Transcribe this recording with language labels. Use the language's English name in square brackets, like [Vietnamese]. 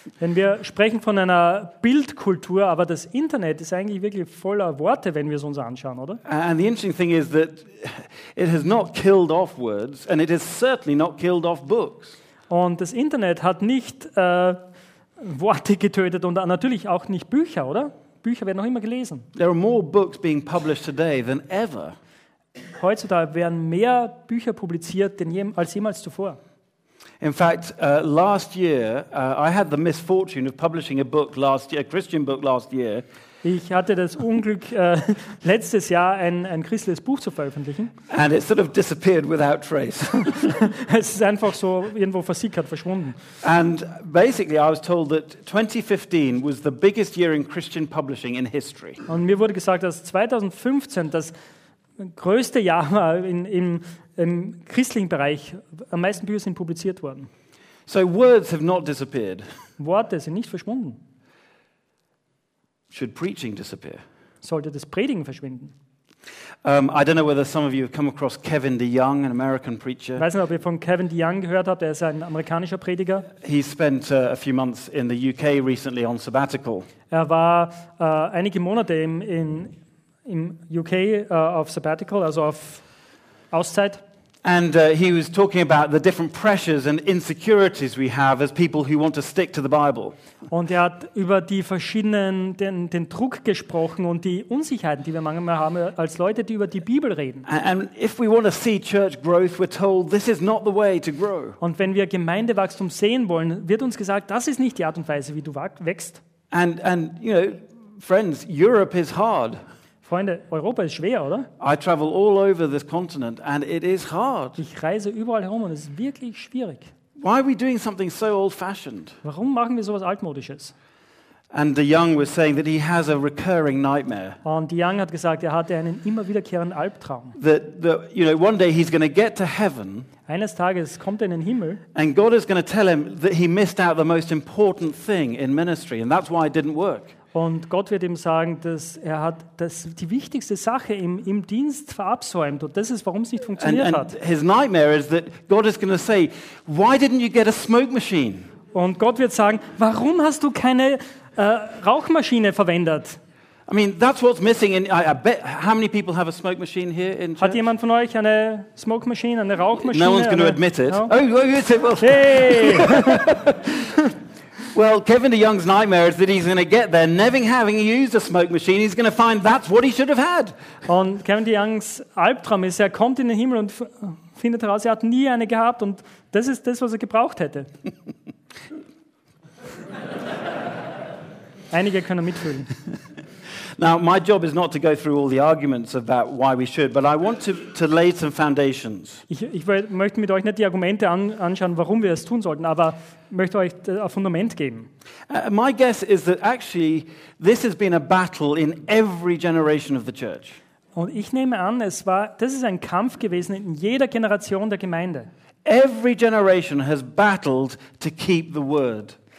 [German] Wenn wir sprechen von einer Bildkultur, aber das Internet ist eigentlich wirklich voller Worte, wenn wir es uns anschauen, oder? [English] And the interesting thing is that it has not killed off words, and it has certainly not killed off books. [German] Und das Internet hat nicht Worte getötet und natürlich auch nicht Bücher, oder? Bücher werden noch immer gelesen. [English] There are more books being published today than ever. [German] Heutzutage werden mehr Bücher publiziert als jemals zuvor. [English] In fact, last year I had the misfortune of publishing a book last year, a Christian book last year. [German] Ich hatte das Unglück letztes Jahr ein christliches Buch zu veröffentlichen. [English] And it sort of disappeared without trace. [German] Es ist einfach so irgendwo versickert, verschwunden. [English] And basically I was told that 2015 was the biggest year in Christian publishing in history. [German] Und mir wurde gesagt, dass 2015 das größte Jahr war im christlichen Bereich, am meisten Bücher sind publiziert worden. [English] So words have not disappeared. [German] Worte sind nicht verschwunden. [English] Should preaching disappear? [German] Sollte das Predigen verschwinden? [English] I don't know whether some of you have come across Kevin DeYoung, an American preacher. [German] Weiß nicht, ob ihr von Kevin DeYoung gehört habt. Er ist ein amerikanischer Prediger. [English] He spent a few months in the UK recently on sabbatical. [German] Er war einige Monate im UK auf sabbatical, also auf Auszeit. [English] And he was talking about the different pressures and insecurities we have as people who want to stick to the Bible. [German] Und er hat über die verschiedenen den Druck gesprochen und die Unsicherheiten, die wir manchmal haben als Leute, die über die Bibel reden. [English] And if we want to see church growth, we're told this is not the way to grow. [German] Und wenn wir Gemeindewachstum sehen wollen, wird uns gesagt, das ist nicht die Art und Weise, wie du wächst. [English] And you know, friends, Europe is hard. [German] Freunde, Europa ist schwer, oder? [English] I travel all over this continent and it is hard. [German] Ich reise überall herum und es ist wirklich schwierig. [English] Why are we doing something so old-fashioned? [German] Warum machen wir sowas altmodisches? [English] And DeYoung was saying that he has a recurring nightmare. [German] Und DeYoung hat gesagt, er hatte einen immer wiederkehrenden Albtraum. [English] That you know, one day he's going to get to heaven. [German] Eines Tages kommt er in den Himmel. [English] And God is going to tell him that he missed out the most important thing in ministry and that's why it didn't work. [German] Und Gott wird ihm sagen, dass er hat die wichtigste Sache im Dienst verabsäumt und das ist, warum es nicht funktioniert hat. [English] And his nightmare is that God is going to say, why didn't you get a smoke machine? [German] Und Gott wird sagen, warum hast du keine Rauchmaschine verwendet? [English] I mean, that's what's missing. I bet, how many people have a smoke machine here in church? [German] Hat jemand von euch eine [English] smoke machine, [German] eine Rauchmaschine? [English] No one's going to admit it. No? Oh, you say, well. Hey! Well, Kevin DeYoung's nightmare is that he's going to get there, never having used a smoke machine, he's going to find that's what he should have had. [German] Und Kevin DeYoung's Albtraum ist, er kommt in den Himmel und findet heraus, er hat nie eine gehabt und das ist das, was er gebraucht hätte. Einige können mitfühlen. [English] Now, my job is not to go through all the arguments about why we should, but I want to lay some foundations. [German] Ich möchte mit euch nicht die Argumente anschauen, warum wir es tun sollten, aber möchte euch ein Fundament geben. [English] My guess is that actually this has been a battle in every generation of the church. [German] Und ich nehme an, das ist ein Kampf gewesen in jeder Generation der Gemeinde. [English] Every generation has battled to keep the word.